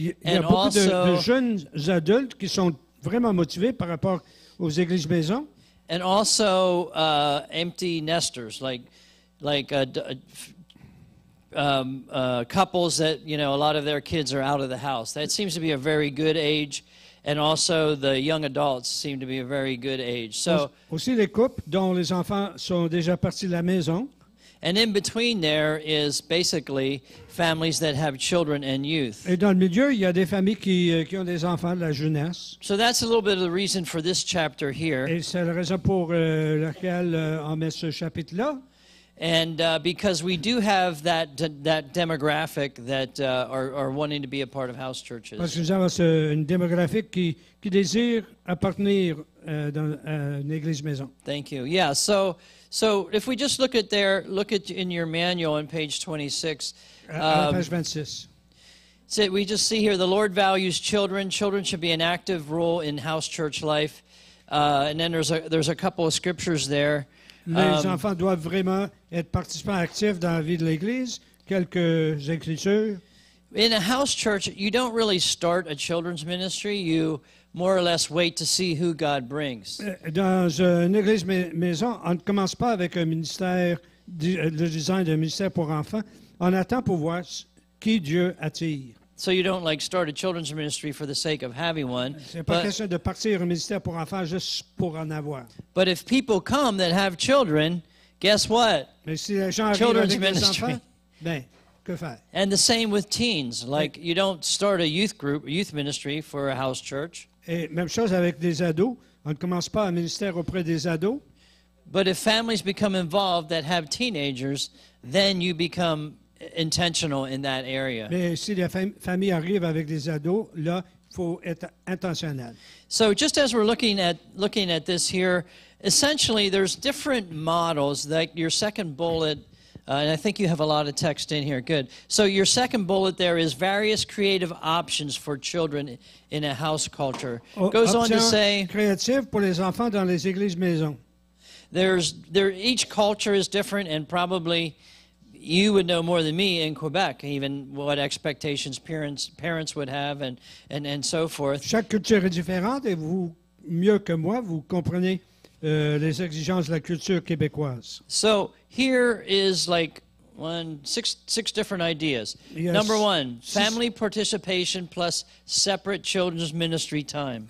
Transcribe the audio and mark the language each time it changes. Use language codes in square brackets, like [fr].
[en] And also, [fr] de jeunes adultes qui sont vraiment motivés par rapport aux églises maison. [en] And also empty nesters, couples that, you know, a lot of their kids are out of the house. That seems to be a very good age. And also, the young adults seem to be a very good age. So, [fr] aussi les couples dont les enfants sont déjà partis de la maison. [en] And in between there is basically families that have children and youth. [fr] Et dans le milieu, il y a des familles qui ont des enfants de la jeunesse. [en] So that's a little bit of the reason for this chapter here. [fr] Et c'est la raison pour laquelle on met ce chapitre là. [en] And because we do have that demographic that are wanting to be a part of house churches. [fr] Parce que nous avons une démographie qui désire appartenir dans une église maison. [en] Thank you. Yeah. So if we just look at in your manual on page 26. Page 26. So we just see here the Lord values children. Children should be an active role in house church life. And then there's a couple of scriptures there. [fr] Les enfants doivent vraiment être participants actifs dans la vie de l'Église. Quelques écritures. [en] In a house church, you don't really start a children's ministry. You more or less wait to see who God brings. [fr] Dans une église maison, on ne commence pas avec un ministère, le design d'un ministère pour enfants. On attend pour voir qui Dieu attire. [en] So you don't like start a children's ministry for the sake of having one. [fr] C'est pas question de partir un ministère pour enfants juste pour en avoir. [en] But if people come that have children, guess what? [fr] Mais si les gens [en] children's [fr] avec [en] ministry. [fr] Des enfants, ben, que faire? [en] And the same with teens. Like, you don't start a youth ministry for a house church. [fr] Et même chose avec des ados. On ne commence pas un ministère auprès des ados. [en] But if families become involved that have teenagers, then you become intentional in that area. [fr] Mais si la famille arrive avec des ados, là, faut être intentionnel. [en] So just as we're looking at this here, essentially there's different models that your second bullet, and I think you have a lot of text in here, good. So your second bullet there is various creative options for children in a house culture. Goes on to say, [fr] créative pour les enfants dans les églises maison. [en] Each culture is different and probably you would know more than me in Quebec, even what expectations parents would have and so forth. [fr] Chaque culture est différente et vous, mieux que moi, vous comprenez les exigences de la culture québécoise. [en] So here is like six different ideas. Yes. Number one, family participation plus separate children's ministry time.